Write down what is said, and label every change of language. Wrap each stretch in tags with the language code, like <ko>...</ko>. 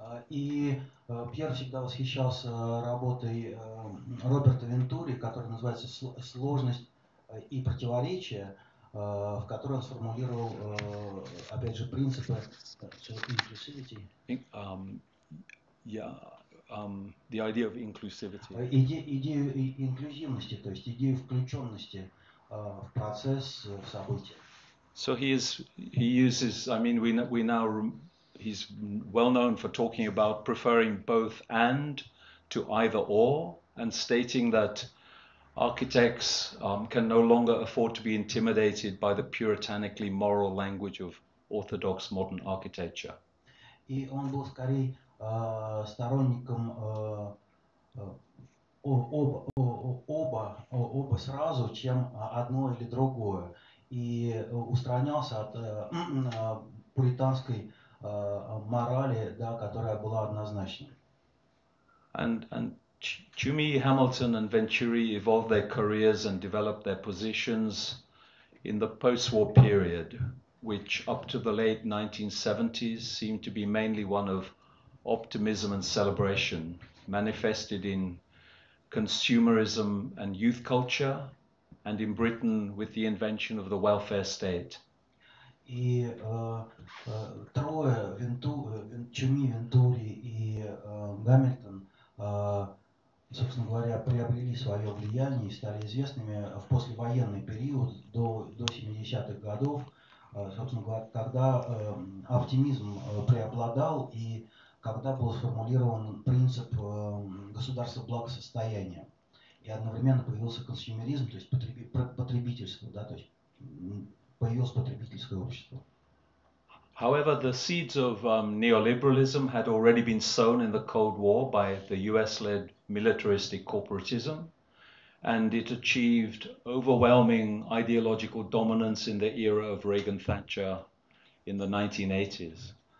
<ru>И Пьер всегда восхищался работой Роберта Вентури, которая называется «Сложность и противоречие», в которой он сформулировал, опять же, принципы inclusivity.</ru> <en>The idea of inclusivity.</en> <ru>Идею инклюзивности, то есть идею включенности в процесс, в события.</ru> <en>So he uses. I mean, we now he's well known for talking about preferring both and to either or, and stating that architects can no longer afford to be intimidated by the puritanically moral language of orthodox modern architecture.</en> <ru>И он был скорее сторонником оба сразу, чем одно или другое. И устранялся от пуританской морали, да, которая была однозначной.</ru> <en>And Toomey, Hamilton and Venturi evolved their careers and developed their positions in the post-war period, which up to the late 1970s seemed to be mainly one of optimism and celebration, manifested in consumerism and youth culture, and in Britain with the invention of the welfare state.</en> <ru>И трое, Чуми, Вентури и Гамильтон, собственно говоря, приобрели свое влияние и стали известными в послевоенный период до 70-х годов, собственно говоря, когда оптимизм преобладал и когда был сформулирован принцип государства благосостояния. И одновременно появился консюмеризм, то есть потребительство, да, то есть появилось потребительское общество.</ru> <en>However, the seeds of neoliberalism had already been sown in the Cold War by the US-led militaristic corporatism, and it achieved overwhelming ideological dominance in the era of Reagan-Thatcher in the 1980s.</en>